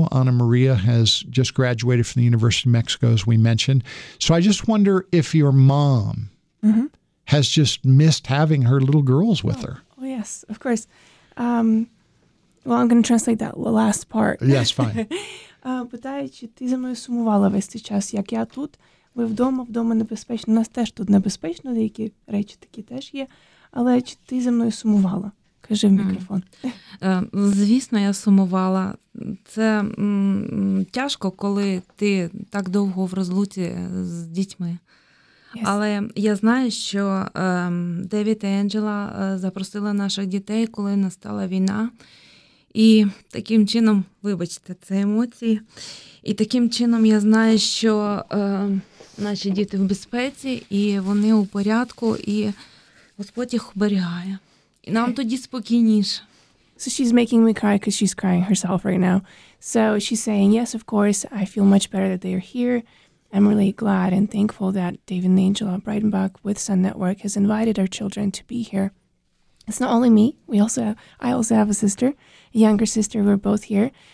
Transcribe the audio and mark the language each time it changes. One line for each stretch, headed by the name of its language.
English: Anna Maria has just graduated from the University of Mexico, as we mentioned. So I just wonder if your mom has just missed having her little girls with her. Oh, yeah, Yes, of course. Well, I'm going to translate that last part. Yes, fine.
Ukrainian: Питаю, чи ти за мною сумувала весь цей час, як я тут? Ви вдома, вдома небезпечно. У нас теж тут небезпечно, деякі речі такі теж є. Але чи ти за мною сумувала? Кажи в мікрофон. Звісно, я сумувала. Це тяжко, коли ти так довго в розлуті з дітьми.
English: Yes.
Ukrainian: Але я знаю, що Девід і Енджела запросили наших дітей, коли настала війна. І таким чином, вибачте, це емоції. І таким чином я знаю, що наші діти в безпеці, і вони у порядку, і Господь їх оберігає. І нам тоді спокійніше.
English: So she's making me cry because she's crying herself right now. So she's saying, yes, of course, I feel much better that they are here. I'm really glad and thankful that David and Angela Breidenbach with Sun Network has invited our children to be here. It's not only me. I also have a sister, a younger sister. We're both here.